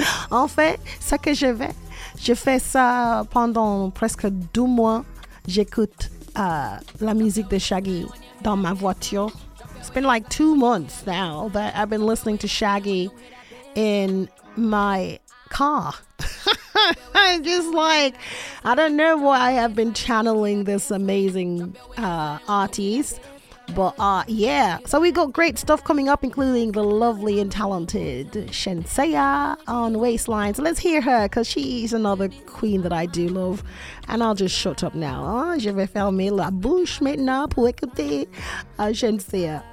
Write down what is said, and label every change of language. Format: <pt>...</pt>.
<fr>En fait, ce que je fais ça pendant presque 2 mois. J'écoute la musique de Shaggy dans ma voiture.</fr> <en>It's been like 2 months now that I've been listening to Shaggy in my car. I'm just like, I don't know why I have been channeling this amazing artist. But yeah, so we got great stuff coming up, including the lovely and talented Shenseea on Wastelines. Let's hear her, because she's another queen that I do love. And I'll just shut up now.</en> <fr>Je vais fermer la bouche maintenant pour écouter Shenseea.</fr>